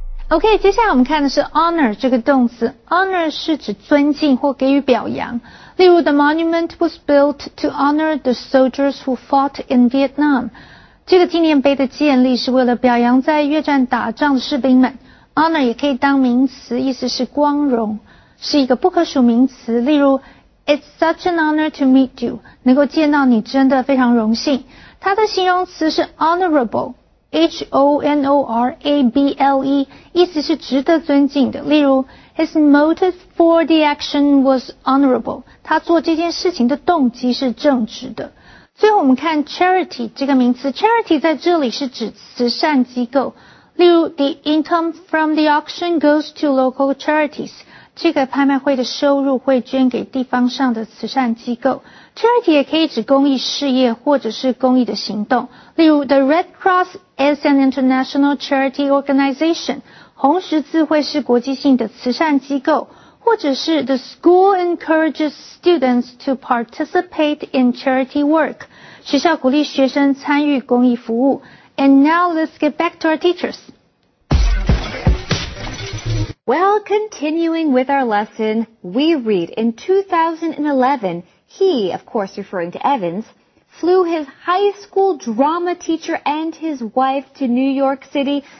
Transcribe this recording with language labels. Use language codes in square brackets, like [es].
[zh] OK， 接下来我们看的是 honor 这个动词。honor 是指尊敬或给予表扬。例如 [en] ,the monument was built to honor the soldiers who fought in Vietnam. [zh] 这个纪念碑的建立是为了表扬在越战打仗的士兵们。 honor 也可以当名词，意思是光荣，是一个不可数名词。例如 [en] ,it's such an honor to meet you. [zh] 能够见到你真的非常荣幸。它的形容词是 honorable。H-O-N-O-R-A-B-L-E, 意思是值得尊敬的。例如 [en] ,his motive for the action was honorable. [zh] 他做这件事情的动机是正直的。最后我们看 charity 这个名词。charity 在这里是指慈善机构。例如 [en] ,the income from the auction goes to local charities. [zh] 这个拍卖会的收入会捐给地方上的慈善机构。 charity 也可以指公益事业或者是公益的行动。例如 [en] ,the Red Cross is an international charity organization. [zh] 红十字会是国际性的慈善机构。或者是 [en] The school encourages students to participate in charity work. [zh] 学校鼓励学生参与公益服务。 [en] And now let's get back to our teachers. Well, continuing with our lesson, we read in 2011, he, of course referring to Evans, flew his high school drama teacher and his wife to New York City.